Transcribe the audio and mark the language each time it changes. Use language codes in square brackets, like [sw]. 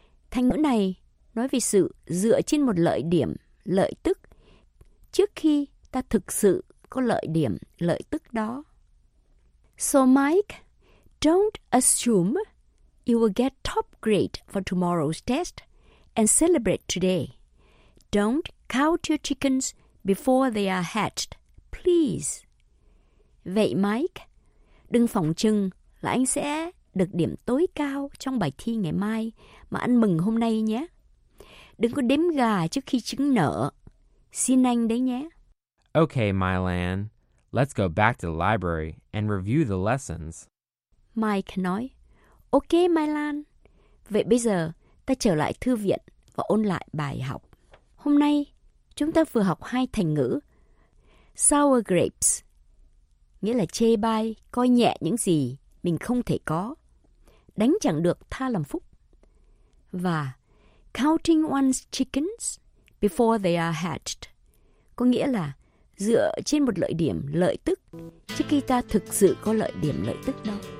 [vi] Thành ngữ này nói về sự dựa trên một lợi điểm, lợi tức, trước khi ta thực sự có lợi điểm, lợi tức đó. [en] So Mike, don't assume you will get top grade for tomorrow's test and celebrate today. Don't count your chickens before they are hatched, please. [vi] Vậy Mike, đừng phỏng chừng là anh sẽ được điểm tối cao trong bài thi ngày mai mà anh mừng hôm nay nhé. Đừng có đếm gà trước khi trứng nở. Xin anh đấy nhé. [en] Okay, Mylan, let's go back to the library and review the lessons. [vi] Mike nói, okay, Mylan. Vậy bây giờ, ta trở lại thư viện và ôn lại bài học. Hôm nay, chúng ta vừa học hai thành ngữ. [en] Sour grapes, [vi] nghĩa là chê bai, coi nhẹ những gì mình không thể có. Đánh chẳng được tha làm phúc. Và [en] counting one's chickens before they are hatched, [vi] có nghĩa là dựa trên một lợi điểm, lợi tức, trước khi ta thực sự có lợi điểm, lợi tức đâu.